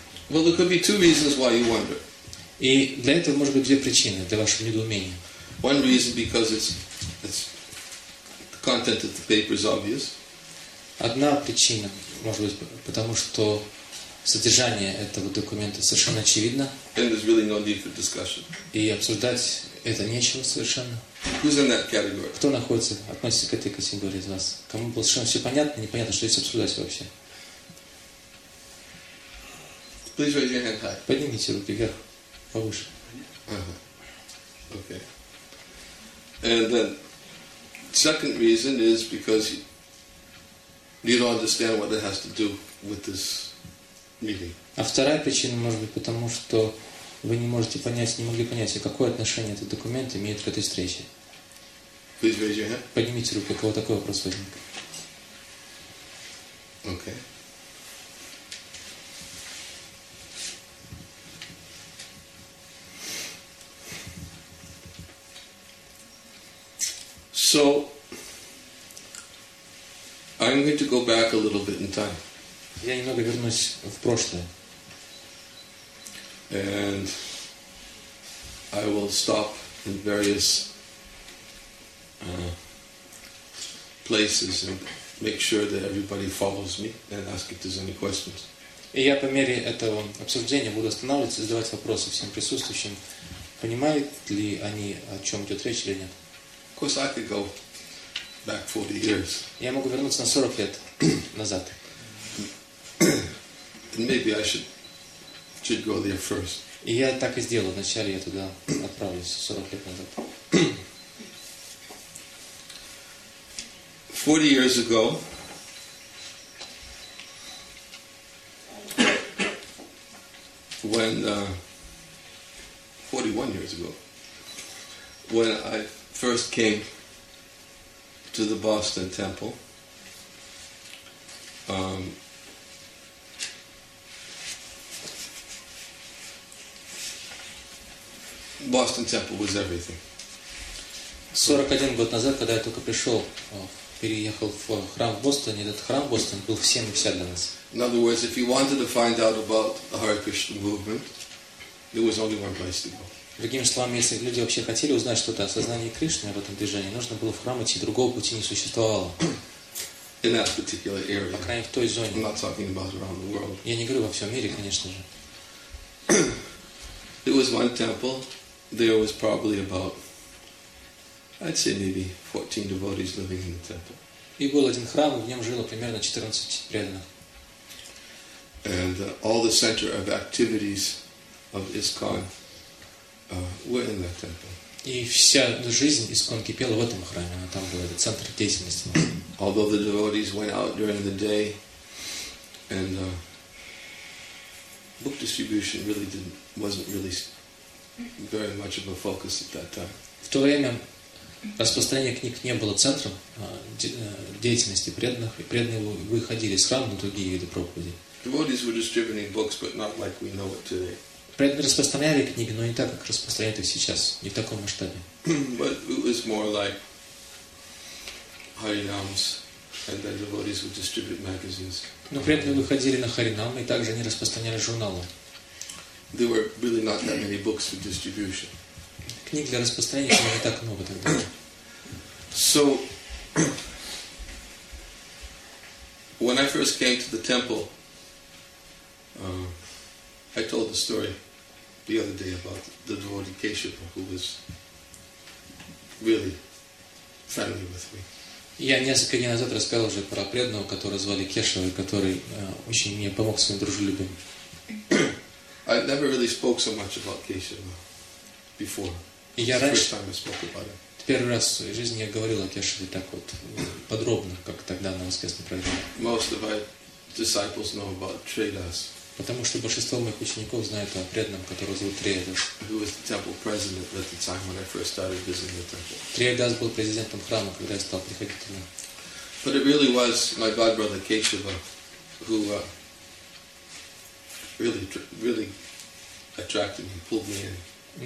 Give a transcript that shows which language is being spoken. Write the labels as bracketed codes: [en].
[en] Well, there could be two reasons why you wonder. [ru] И для этого может быть две причины для вашего недоумения. [en] One reason because it's the content of the paper is obvious. [ru] Одна причина может быть потому что содержание этого документа совершенно очевидно. [en] Then there's really no need for discussion. [ru] И обсуждать это нечего совершенно. [en] Who's in that category? [ru] Кто находится, относится к этой категории из вас? Кому было совершенно все понятно, непонятно, что здесь обсуждать вообще? [en] Please raise your hand high. [ru] Поднимите руки вверх, повыше. [en] Okay. And then, second reason is because you don't understand what it has to do with this meeting. [ru] А вторая причина может быть потому, что вы не можете понять, не могли понять, какое отношение этот документ имеет к этой встрече. [en] Please raise your hand. [ru] Поднимите руку, у кого такой вопрос возник. [en] Okay. So, I'm going to go back a little bit in time. [ru] Я немного вернусь в прошлое. [en] And I will stop in various places and make sure that everybody follows me and ask if there's any questions. [ru] И я по мере этого обсуждения буду останавливаться и задавать вопросы всем присутствующим. Понимают ли они, о чем идет речь или нет? [en] Of course, I could go back 40 years. [ru] Я могу вернуться на 40 лет назад. [en] And maybe I should go there first. [ru] И я так и сделаю. Вначале я туда отправлюсь 40 лет назад. [en] 40 years ago, when 41 years ago, when I first came to the Boston Temple. Boston Temple was everything. [ru] 41 год назад, когда я только пришел, переехал в храм в Бостоне, этот храм в Бостоне был всем и вся для нас. [en] In other words, if you wanted to find out about the Hare Krishna movement, there was only one place to go. [ru] Другими словами, если люди вообще хотели узнать что-то о сознании Кришны, об этом движении, нужно было в храм идти, другого пути не существовало. [en] In that particular area. [ru] По крайней мере, в той зоне. [en] I'm not talking about around the world. [ru] Я не говорю во всем мире, конечно же. [en] There was one temple. There was probably about, I'd say maybe 14 devotees living in the temple. [ru] И был один храм, в нем жило примерно 14 преданных. [en] And all the center of activities of ISKCON were in that temple. [ru] И вся жизнь ИСККОН кипела в этом храме, она там была, это центр деятельности. [en] Although the devotees went out during the day, and book distribution really wasn't really very much of a focus at that time. [ru] В то время распространение книг не было центром деятельности преданных, и преданные выходили из храма на другие виды проповеди. [en] Devotees were distributing books, but not like we know it today. [ru] Преданные распространяли книги, но не так, как распространяют их сейчас, не в таком масштабе. [en] But it was more like Harinams, and then devotees would distribute magazines. [ru] Но преданные выходили на Харинам, и также они распространяли журналы. [en] There were really not that many books for distribution. [ru] Книг для распространения было не так много тогда. [en] So, when I first came to the temple, I told the story the other day about the devotee Keshapa, who was really friendly with me. [ru] Я несколько дней назад рассказывал уже про преданного, которого звали Кешава, который очень мне помог своим дружелюбием. [en] I never really spoke so much about Keshava before. [ru] Я раньше, [en] first time I spoke about him. [ru] Первый раз в своей жизни я говорил о Кешаве так вот подробно, как тогда на воскресном праздник. [en] Most of my disciples know about Tridas. [ru] Потому что большинство моих учеников знают о преданном, которого зовут Триадас. [en] Who was the temple president at the time when I first started visiting the temple? [ru] Триадас был президентом храма, когда я стал приходить туда. [en] But it really was my god brother Keshava, who really attracted me, pulled me in.